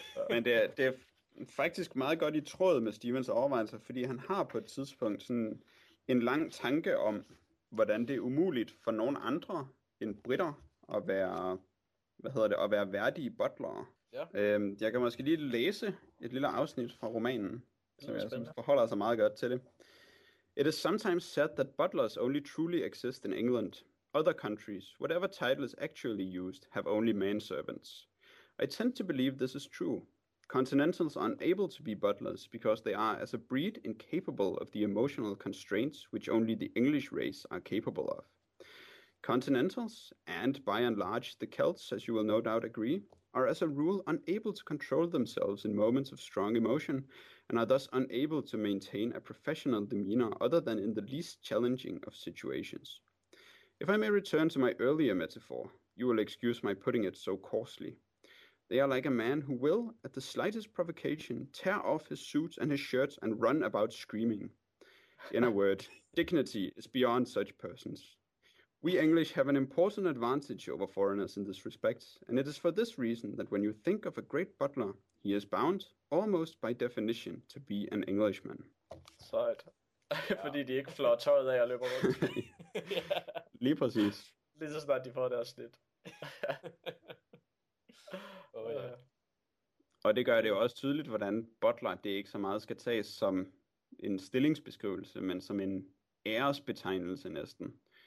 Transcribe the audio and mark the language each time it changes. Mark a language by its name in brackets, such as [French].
[Danish] Men det er faktisk meget godt i tråd med Stevens overvejelser, fordi han har på et tidspunkt sådan en lang tanke om, hvordan det er umuligt for nogen andre end britter at være, hvad hedder det, at være værdige butlere. Ja. Jeg kan måske lige læse et lille afsnit fra romanen, som jeg synes forholder sig meget godt til det. [English] It is sometimes said that butlers only truly exist in England. Other countries, whatever title is actually used, have only manservants. I tend to believe this is true. Continentals are unable to be butlers because they are, as a breed, incapable of the emotional constraints which only the English race are capable of. Continentals, and by and large the Celts, as you will no doubt agree, are as a rule unable to control themselves in moments of strong emotion and are thus unable to maintain a professional demeanor other than in the least challenging of situations. If I may return to my earlier metaphor, you will excuse my putting it so coarsely. They are like a man who will, at the slightest provocation, tear off his suit and his shirt and run about screaming. In a word, dignity is beyond such persons. We English have an important advantage over foreigners in this respect, and it is for this reason that when you think of a great butler, he is bound, almost by definition, to be an Englishman. Sight. [Danish] Fordi de ikke flår tøjet af og løber rundt. Lige præcis. Lige så snart de får deres snit. Oh, ja. Og det gør det jo også tydeligt, hvordan butler, det ikke så meget skal tages som en stillingsbeskrivelse, men som en æresbetegnelse næsten.